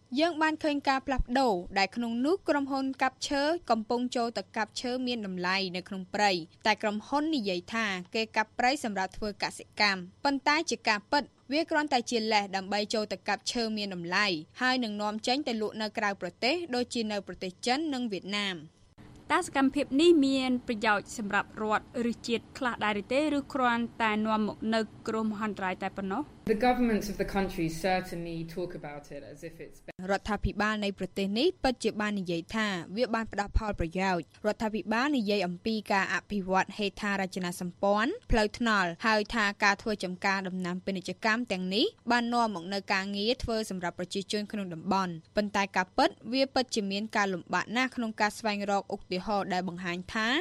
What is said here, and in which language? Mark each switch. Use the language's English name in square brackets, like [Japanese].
[Khmer] យើងបានឃើញការផ្លាស់ប្ដូរដែលក្នុងនោះក្រុមហ៊ុនកាប់ឈើកំពុងចូលទៅកាប់ឈើមានតម្លៃនៅក្នុងព្រៃតែក្រុមហ៊ុននិយាយថាគេកាប់ព្រៃសម្រាប់ធ្វើកសិកម្មប៉ុន្តែជាការពិតវាគ្រាន់តែជាលេសដើម្បីចូលទៅកាប់ឈើមានតម្លៃហើយនឹងនាំចេញទៅលក់នៅក្រៅប្រទេសដូចជានៅប្រទេសចិននិងវៀតណាម តើសកម្មភាពនេះមានប្រយោជន៍សម្រាប់រដ្ឋឬជាតិខ្លះដែរឬទេឬគ្រាន់តែនាំមកនៅក្រមហន្តរាយតែប៉ុណ្ណោះ [English] The governments of the countries certainly talk about it as if it's [Khmer] រដ្ឋាភិបាលនៃប្រទេសនេះពិតជាបាននិយាយថាវាបានផ្ដល់ផលប្រយោជន៍រដ្ឋាភិបាលនិយាយអំពីការអភិវឌ្ឍហេដ្ឋារចនាសម្ព័ន្ធផ្លូវថ្នល់ហើយថាការធ្វើចំការដំណាំពាណិជ្ជកម្មទាំងនេះបាននាំមកនៅការងារធ្វើសម្រាប់ប្រជាជនក្នុងតំបន់ប៉ុន្តែការពិតវាពិតជាមានការលំបាកណាស់ក្នុងការស្វែងរកឧទាហរណ៍ដែលបង្ហាញថា